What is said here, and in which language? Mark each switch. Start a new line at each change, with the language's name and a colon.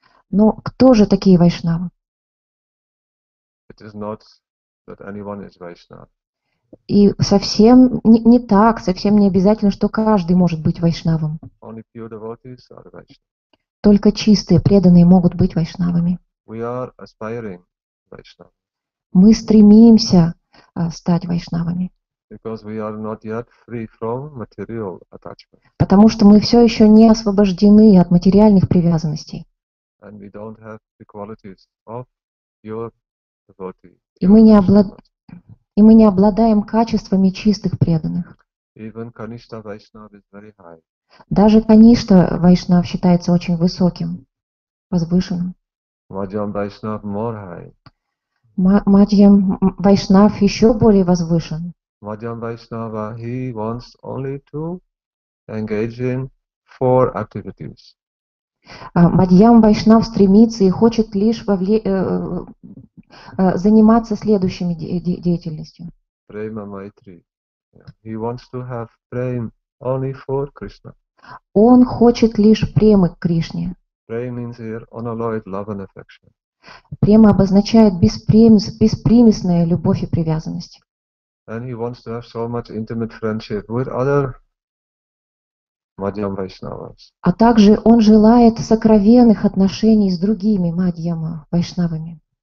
Russian: Но кто же такие вайшнавы?
English: It is not that anyone is Vaishnava.
Russian: И совсем не так, совсем не обязательно, что каждый может быть вайшнавом.
English: Only pure devotees are Vaishnava.
Russian: Только чистые, преданные могут быть вайшнавами.
English: We are aspiring Vaishnava.
Russian: Мы стремимся стать вайшнавами.
English: Because we are not yet free from material attachment.
Russian: Потому что мы все еще не освобождены от материальных привязанностей.
English: And we don't have the qualities of your devotee.
Russian: И мы не обладаем качествами чистых преданных.
English: Even Kanishtha Vaishnav is very high.
Russian: Даже Каништа Вайшнав считается очень высоким, возвышенным.
English: Маджам Вайшнав more high.
Russian: Маджам Вайшнав еще более возвышен.
English: Маджам Вайшнава, he wants only to engage in four activities.
Russian: Маджам Вайшнав стремится и хочет лишь заниматься следующими деятельностью.
English: Prema Maitri. He wants to have prema only for Krishna.
Russian: Он хочет лишь премы к Кришне.
English: Prema means here unalloyed love and affection.
Russian: Према обозначает беспримесная любовь и привязанность. А также он желает сокровенных отношений с другими мадьяма вайшнавами.